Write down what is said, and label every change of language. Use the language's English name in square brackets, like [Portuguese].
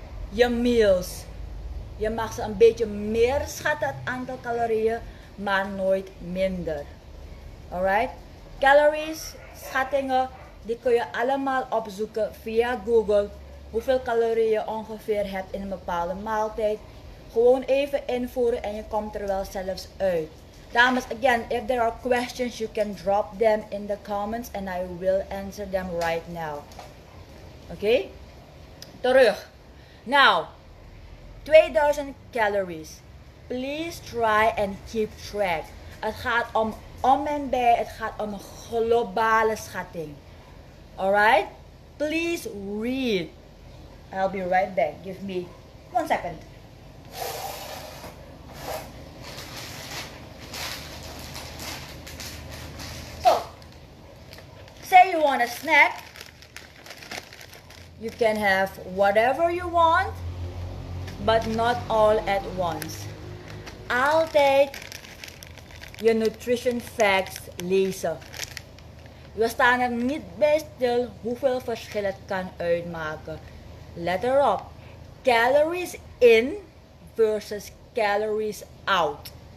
[Dutch] Je meals, je mag ze een beetje meer schatten het aantal calorieën, maar nooit minder. Alright? Calories, schattingen, die kun je allemaal opzoeken via Google. Hoeveel calorieën je ongeveer hebt in een bepaalde maaltijd. Gewoon even invoeren en je komt er wel zelfs uit. [English] Dames, again, if there are questions, you can drop them in the comments and I will answer them right now. Okay? Terug. Now, 2000 calories. Please try and keep track. [Dutch] Het gaat om en bij, het gaat om een globale schatting. [English] Alright? Please read. I'll be right back. Give me 1 second. So, say you want a snack. You can have whatever you want, but not all at once. [Dutch] Altijd je nutrition facts lezen. We staan er niet bij stil hoeveel verschil het kan uitmaken. Let erop. [English] Calories in versus calories out.